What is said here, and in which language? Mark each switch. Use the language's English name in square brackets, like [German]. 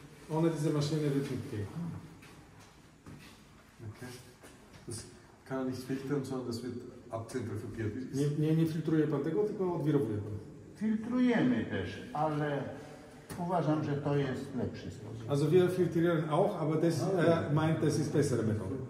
[German] Ohne diese Maschine wird nicht gehen. Okay. Das kann er nicht filtern, sondern das wird abzentrifugiert. [Polish] Nie filtruje pan tego, tylko odwirowuje pan. Filtrujemy też, ale uważam, że to jest lepszy sposób. [German] Also wir filtrieren auch, aber das meint, das ist bessere Methode.